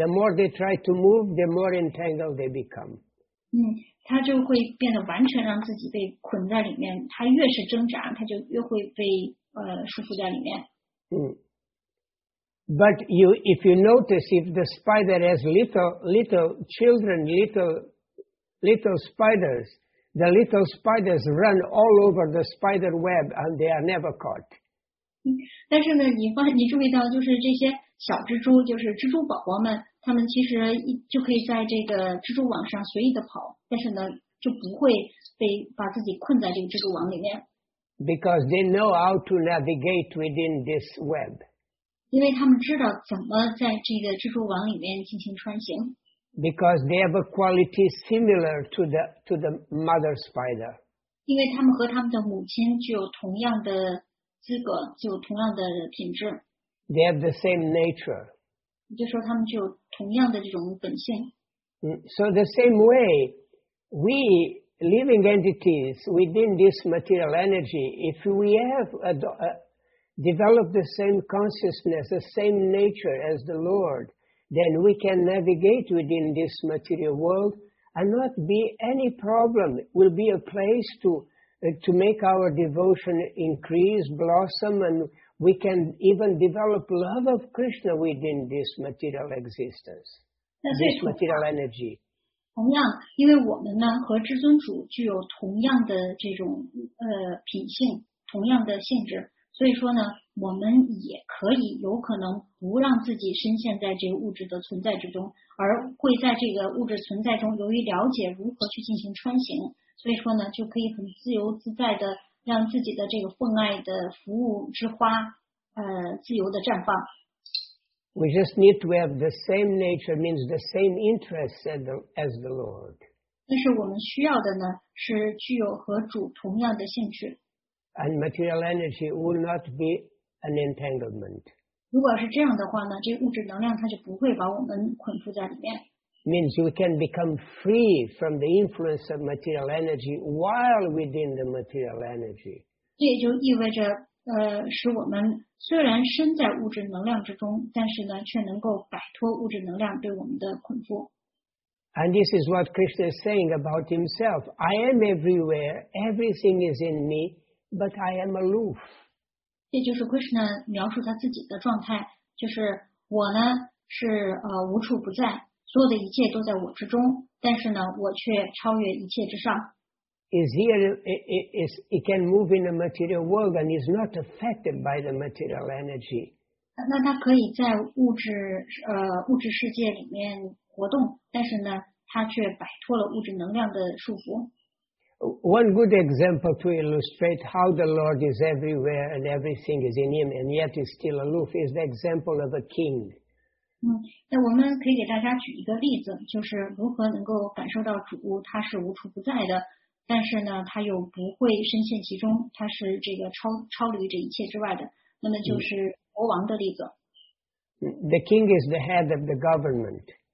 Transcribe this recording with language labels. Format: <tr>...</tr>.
<en>The more they try to move, the more entangled they become.</en> <zh>它就会变得完全让自己被捆在里面。它越是挣扎，它就越会被束缚在里面。</zh> <en>But you, if you notice, if the spider has little children, little spiders, the little spiders run all over the spider web and they are never caught.</en> <zh>但是呢，你注意到就是这些小蜘蛛，就是蜘蛛宝宝们，他们其实就可以在这个蜘蛛网上随意的跑，但是呢，就不会被把自己困在这个蜘蛛网里面。</zh> <en>Because they know how to navigate within this web.</en> <zh>因为他们知道怎么在这个蜘蛛网里面进行穿行。</zh> <en>Because they have a quality similar to the mother spider.</en> <zh>因为他们和他们的母亲具有同样的资格，具有同样的品质。</zh> <en>They have the same nature.</en> <zh>也就是说，他们具有同样的这种本性。</zh> <en>So the same way, we living entities within this material energy, if we have developed the same consciousness, the same nature as the Lord, then we can navigate within this material world and not be any problem. It will be a place to make our devotion increase, blossom, and we can even develop love of Krishna within this material existence. This material energy.</en> <zh>同样，因为我们呢和至尊主具有同样的这种品性，同样的性质，所以说呢，我们也可以有可能不让自己深陷在这个物质的存在之中，而会在这个物质存在中，由于了解如何去进行穿行，所以说呢，就可以很自由自在的让自己的这个奉爱的服务之花自由的绽放。</zh> <en>We just need to have the same nature, means the same interests as the Lord.</en> <zh>但是我们需要的呢，是具有和主同样的性质。</zh> <en>And material energy will not be an entanglement.</en> <zh>如果是这样的话呢，这物质能量它就不会把我们捆缚在里面。</zh> <en>Means we can become free from the influence of material energy while within the material energy.</en> <zh>这也就意味着使我们虽然身在物质能量之中，但是呢，却能够摆脱物质能量对我们的捆缚。</zh> <en>And this is what Krishna is saying about himself. I am everywhere. Everything is in me, but I am aloof.</en> <zh>这就是 Krishna 描述他自己的状态，就是我呢是无处不在，所有的一切都在我之中，但是呢，我却超越一切之上。</zh> <en>Is here, it can move in the material world and is not affected by the material energy.</en> <zh>那它可以在物质世界里面活动，但是呢，它却摆脱了物质能量的束缚。</zh> <en>One good example to illustrate how the Lord is everywhere and everything is in Him and yet is still aloof is the example of a king.</en> <zh>那我们可以给大家举一个例子，就是如何能够感受到主他是无处不在的。但是呢，他又不会深陷其中，他是这个超离这一切之外的。那么就是国王的例子。</zh> <en>The king is the head of the government.</en>